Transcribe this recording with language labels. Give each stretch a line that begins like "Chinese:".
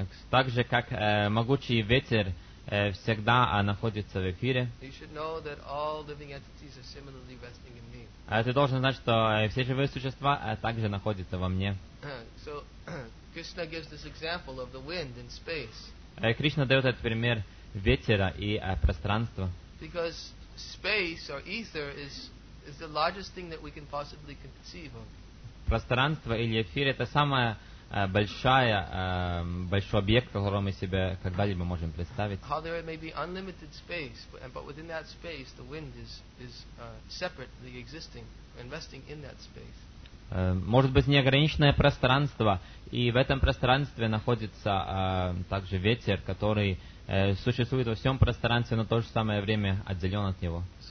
Russian: Так же, как могучий ветер всегда находится в эфире. Ты должен знать, что все живые существа также находятся во мне.
English: So Krishna gives this example of the wind in space.
Russian: Кришна даёт этот пример ветра и пространства.
English: Because space or ether is the largest thing that we can possibly conceive of.
Russian: Пространство или эфир — это самая большой объект, который мы себе когда-либо можем представить.
English: How there may be unlimited space, but within that space the wind is separately existing, investing in that space.
Russian: Может быть, неограниченное пространство, и в этом пространстве находится также ветер, который существует во всем пространстве, но в то же самое время отделен от него.